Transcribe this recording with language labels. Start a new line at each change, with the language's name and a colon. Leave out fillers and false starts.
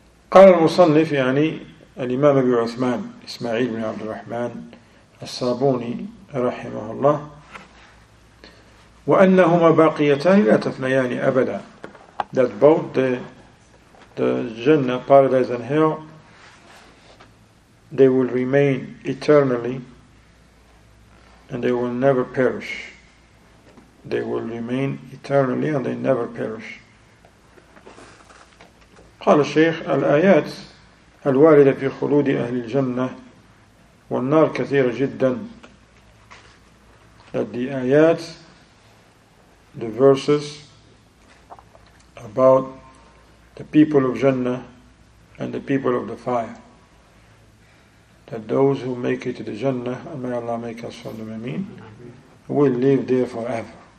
Arabic: قال المصنف يعني الإمام أبي عثمان إسماعيل بن عبد الرحمن الصابوني رحمه الله وأنهما باقيتان لا تفنيان أبدا.
English: That both the Jannah, Paradise and Hell, they will remain eternally and they will never perish. They will remain eternally and they never perish.
Arabic: قال الشيخ الآيات الواردة في خلود أهل الجنة والنار كثيرة جدا.
English: That the آيات, the verses about the people of Jannah and the people of the fire, that those who make it to the Jannah, and may Allah make us from them, Ameen, will live there forever.